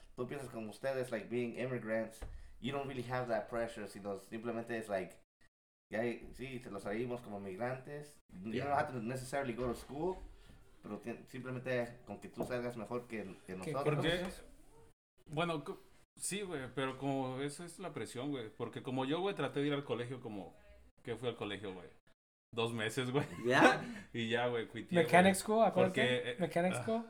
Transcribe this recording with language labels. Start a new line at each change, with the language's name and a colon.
English: Tú piensas como ustedes, like being immigrants, you don't really have that pressure.
Spanish: Sino simplemente es like, ya sí, te los traímos como migrantes.
English: You don't have to necessarily go to school.
Spanish: Pero simplemente con que tú salgas mejor que nosotros. Porque, bueno, sí, güey, pero como eso es la presión, güey. Porque como yo, güey, traté de ir al colegio como... ¿Qué fui al colegio, güey? 2 meses, güey. Ya. Yeah. Y ya, güey, cuité. ¿Mechanic school? Porque, ¿Mechanic school?